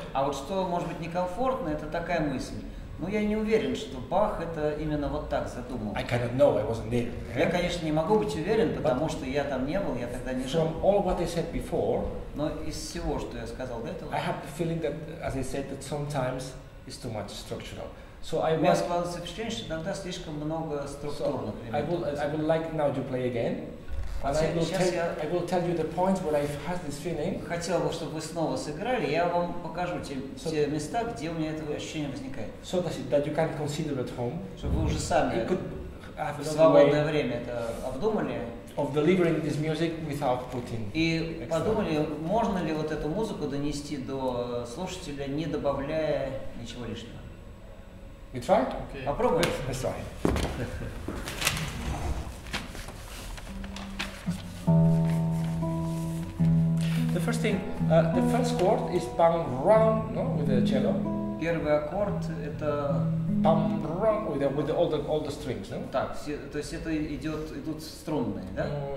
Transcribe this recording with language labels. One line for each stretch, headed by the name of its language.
Russian: А вот что может быть некомфортно, это такая мысль. Ну, я не уверен, что Бах это именно вот так задумал.
English: I cannot know, I wasn't there. Okay?
Russian: Я, конечно, не могу быть уверен, потому что я там не был, я тогда не жил.
English: From all what I said before,
Russian: но из всего, что я сказал до этого,
English: I have the feeling that, as I said, that sometimes it's too much structural. So I was
Russian: складывается впечатление, что иногда слишком много структурных элементов.
English: I will like now to play again. I will tell you the points where I've had this feeling.
Russian: Хотел бы, чтобы вы снова сыграли. Я вам покажу те места, где у меня это ощущение возникает.
English: So that you can consider at home.
Russian: Чтобы вы уже сами в свободное время это обдумали.
English: Of delivering this music without putting.
Russian: И подумали, можно ли вот эту музыку донести до слушателя, не добавляя ничего лишнего.
English: We try? Okay.
Russian: Попробуем.
English: Let's try. The first thing, the first chord is pam rum, no, with the cello.
Russian: Первый аккорд это
English: pam rum with all the strings, no?
Russian: Так, то есть это идут струнные, да?